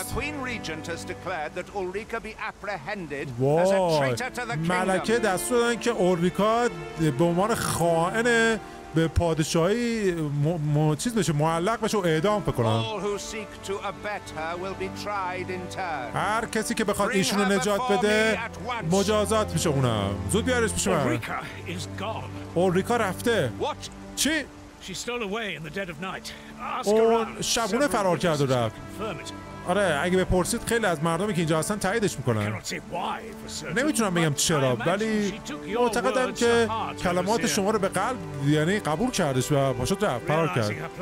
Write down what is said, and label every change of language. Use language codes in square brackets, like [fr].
[en] The Queen Regent has declared that Ulrika be apprehended as a traitor to the kingdom. [fa] ملکه دستور دادن که اولریکا به عنوان خائن به پادشاهی چیز بشه، معلق بشه و اعدام بکنن. [en] All who seek to abet her will be tried in turn. [fa] هر کسی که بخواد ایشون رو نجات بده مجازات میشه. اونم زود بیارش پیش من. اولریکا رفته. [en] What? [fa] چی؟ [en] She stole away in the dead of night. [fa] اون شبونه فرار کرد و رفت. آره، اگه بپرسید خیلی از مردمی که اینجا هستن تاییدش میکنن. نمیتونم بگم چرا، ولی معتقدم که کلمات شما رو به قلب یعنی قبول کردش و پاشد رفت فرار کرد.